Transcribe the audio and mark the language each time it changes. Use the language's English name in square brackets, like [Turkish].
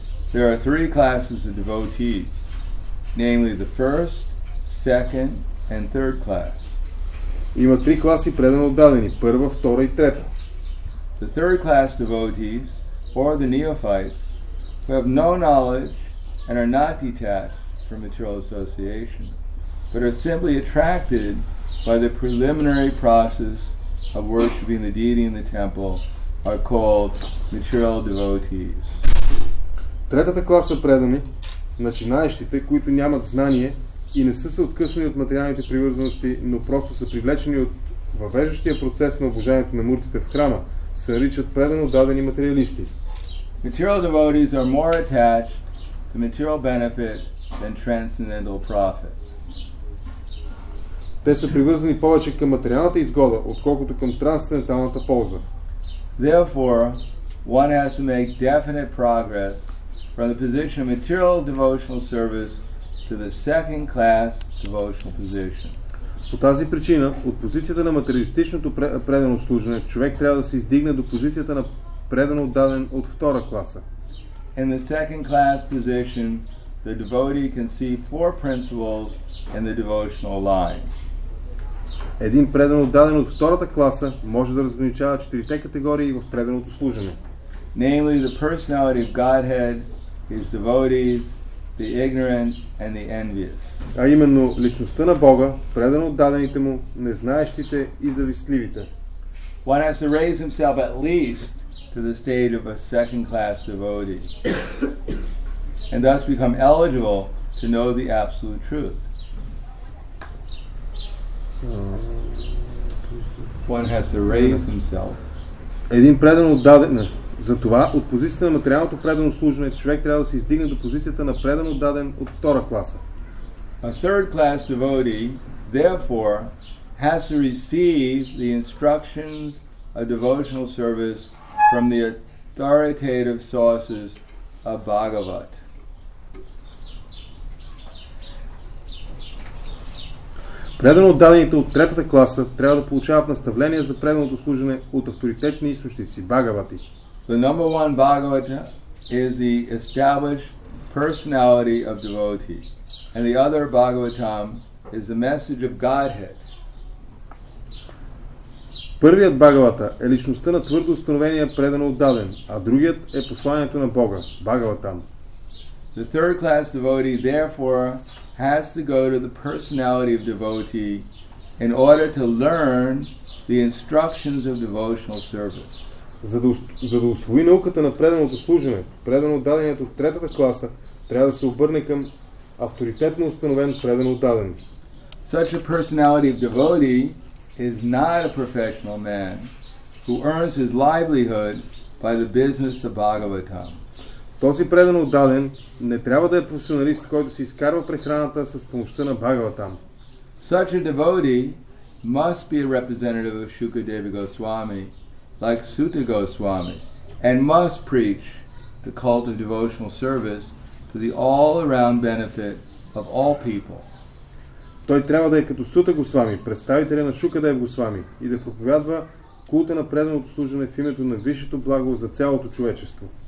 [English] There are three classes of devotees, namely the first, second, and third class. [Bulgarian] Има три класи предано отдадени, първа, втора и трета. [English] The third class devotees, or the neophytes, who have no knowledge and are not detached from material association, but are simply attracted by the preliminary process of worshiping the deity in the temple, are called material devotees. [Bulgarian] Третата класа предани, начинаещите, които нямат знание и не са се откъснали от материалните привързаности, но просто са привлечени от въвеждащия процес на обожанието на муртите в храма, се наричат предано дадени материалисти. [English] Material devotees are more attached to material benefit than transcendental profit. [Bulgarian] Те са привързани повече към материалната изгода, отколкото към трансценденталната полза. [English] Therefore, one has to make definite progress from the position of material devotional service to the second class devotional position. [Bulgarian] По тази причина, от позицията на материалистичното предано служене, човек трябва да се издигне до позицията на предано отдаден от втора класа. [English] In the second class position, the devotee can see four principles in the devotional line. [Bulgarian] Един предан отдаден от втората класа може да разграничава четирите категории в преданото служене. [English] Namely, the personality of Godhead, his devotees, the ignorant and the envious. [Bulgarian] А именно личността на Бога, предан отдадените му, незнаещите и завистливите. [English] One has to raise himself at least to the state of a second class devotee and thus become eligible to know the absolute truth. One has to raise himself. [Bulgarian] Един предан отдаден. Затова от позицията на материалното предано служене човек трябва да се издигне до позицията на предан отдаден от втора класа. [English] A third class devotee, therefore, has to receive the instructions of devotional service from the authoritative sources of Bhagavat. [Bulgarian] Предано отдадените от третата класа трябва да получават наставления за преданото служене от авторитетни източници – Бхагавати. [English] The number one Bhagavata is the established personality of devotee. And the other Bhagavatam is the message of Godhead. [Bulgarian] Първият Бхагавата е личността на твърдо установения предано отдаден, а другият е посланието на Бога – Бхагаватам. [English] The third class devotee, therefore, has to go to the personality of devotee in order to learn the instructions of devotional service. [Bulgarian] За да усвои науката на преданото служене, предано отдаденият от третата класа трябва да се обърне към авторитетно установен предано отдаден. [English] Such a personality of devotee is not a professional man who earns his livelihood by the business of Bhagavatam. [Bulgarian] Този предан отдаден не трябва да е професионалист, който се изкарва прехраната с помощта на Бхагаватам. [English] Such a devotee must be a representative of Shukadeva Goswami, like Suta Goswami, and must preach the cult of devotional service to the all-around benefit of all people. [Bulgarian] Той трябва да е като Сута Госвами, представителя на Шукадева Госвами, и да проповядва култа на преданото служене в името на висшето благо за цялото човечество.